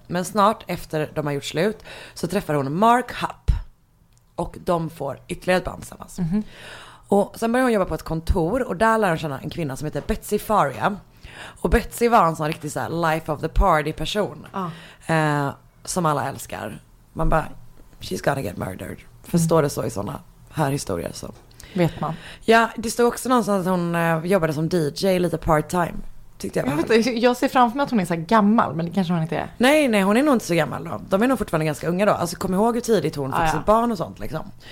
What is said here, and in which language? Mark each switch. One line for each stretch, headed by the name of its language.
Swedish: Men snart efter de har gjort slut så träffar hon Mark Hupp. Och de får ytterligare ett barn tillsammans. Mm-hmm. Och sen börjar hon jobba på ett kontor. Och där lär hon känna en kvinna som heter Betsy Faria. Och Betsy var en sån riktig så här
English: life of the party person.
Swedish: Som alla älskar. Man bara,
English: she's gonna get murdered.
Swedish: Förstår det så i såna här historier så. Vet man. Ja, det stod också någonstans att hon jobbade som DJ lite part-time, tyckte jag. Jag, vet, jag ser framför mig att hon är så gammal, men det kanske hon inte är. Nej, nej, hon är nog inte så gammal då. De är nog fortfarande ganska unga då. Alltså kom ihåg hur tidigt hon fick sitt barn och sånt liksom.